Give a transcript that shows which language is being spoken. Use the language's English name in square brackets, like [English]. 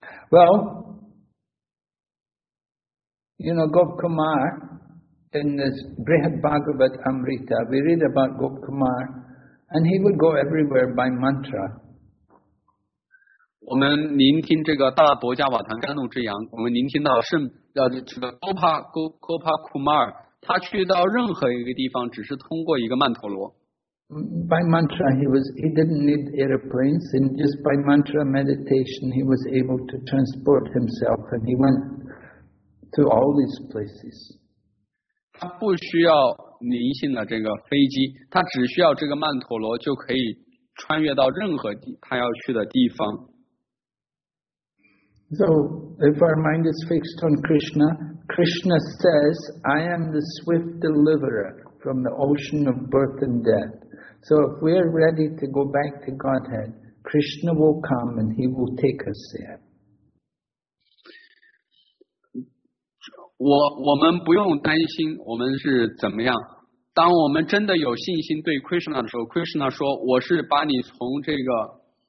[English] Well, you know, Gop Kumar,In this Brihad Bhagavat Amrita, we read about Gop Kumar, and he would go everywhere by mantra. [Chinese] 我们聆听这个大伯加瓦坦甘露之羊，我们聆听到这个 Gopa Kumar, 他去到任何一个地方，只是通过一个曼陀罗。 [English] By mantra, he didn't need airplanes, and just by mantra meditation, he was able to transport himself, and he went to all these places. [Chinese] 他不需要灵性的这个飞机，他只需要这个曼陀罗就可以穿越到任何他要去的地方。 [English] So if our mind is fixed on Krishna, Krishna says, "I am the swift deliverer from the ocean of birth and death." So if we are ready to go back to Godhead, Krishna will come and he will take us there. [Chinese] 我们不用担心我们是怎么样。当我们真的有信心对 Krishna 的时候， Krishna 说，我是把你从这个